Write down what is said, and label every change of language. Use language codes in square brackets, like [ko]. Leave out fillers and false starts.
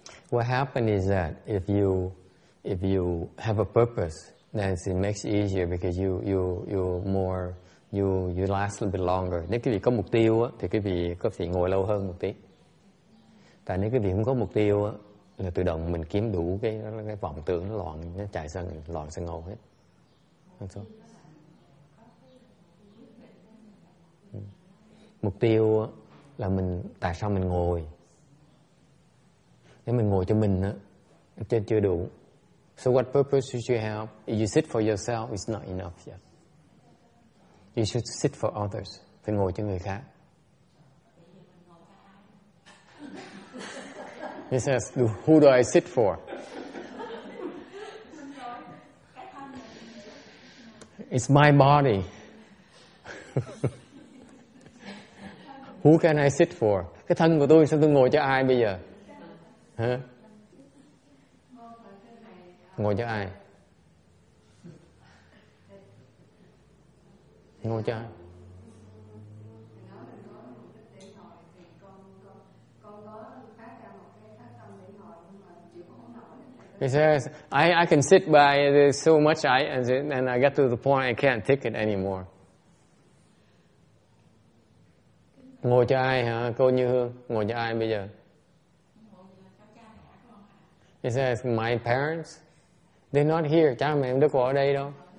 [en] What happened is that if you have a purpose, then it makes it easier because you last a little bit longer. [vi] Nếu quý vị có mục tiêu á, thì quý vị có thể ngồi lâu hơn một tí. Tại nếu quý vị không có mục tiêu á, là tự động mình kiếm đủ cái vọng tưởng nó loạn, nó chạy sang loạn sang ngầu hết. Không sao. Mục tiêu là mình tại sao mình ngồi. Nếu mình ngồi cho mình á, trên chưa đủ. [en] So what purpose should you have? If you sit for yourself, it's not enough yet. You should sit for others. [vi] Phải ngồi cho người khác. [en] He says, who do I sit for? It's my body. Who can I sit for? [vi] Cái thân của tôi, sao tôi ngồi cho ai bây giờ? Ngồi cho ai? Ngồi cho ai? [en] He says, I can sit by there's so much and I get to the point I can't take it anymore. [vi] Ngồi cho ai hả? Cô Như Hương, ngồi cho ai bây giờ? [en] He says, my parents, they're not here. [vi] Cha mẹ em đâu có ở đây đâu.